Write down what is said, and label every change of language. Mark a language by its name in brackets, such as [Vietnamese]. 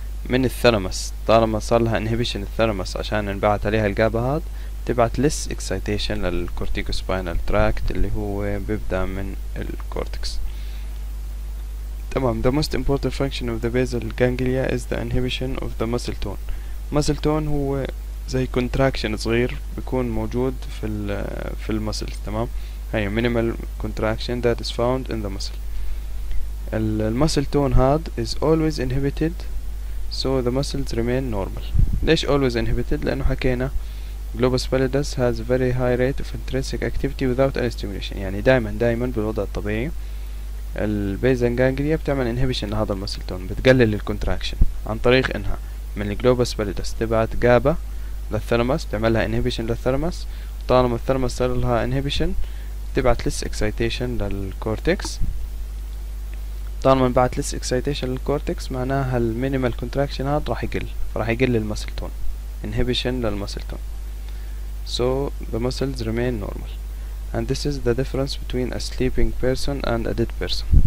[Arabic] من الثلمس طالما صار لها انهبيشن الثلمس عشان انبعت عليها الجابا، هاد بتبعت لس اكسايتيشن للكورتيكو سباينال تراكت اللي هو بيبدا من الكورتكس. [English] تمام، the most important function of the basal ganglia is the inhibition of the muscle tone. [Arabic] muscle tone هو زي contraction صغير بيكون موجود في المسلز. [English] تمام، هي minimal contraction that is found in the muscle. [Arabic] المسل تون هاد [English] is always inhibited so the muscles remain normal. [Arabic] ليش [English] always inhibited؟ [Arabic] لانه حكينا [English] globus pallidus has very high rate of intrinsic activity without any stimulation. [Arabic] يعني دائما بالوضع الطبيعي البيزال جانجليا بتعمل انهبيشن لهذا المسل تون، بتقلل الكونتراكشن عن طريق انها من الجلوبس باليدس تبعت جابا للثلمس، بتعملها انهبيشن للثلمس. طالما الثلمس صار لها انهبيشن بتبعت لس اكسايتيشن للكورتكس. طالما بعت لس اكسايتيشن للكورتكس معناها المينيمال كونتراكشن هذا راح يقل، فراح يقل المسل تون، انهبيشن للمسل تون. [English] So the muscles remain normal. And this is the difference between a sleeping person and a dead person.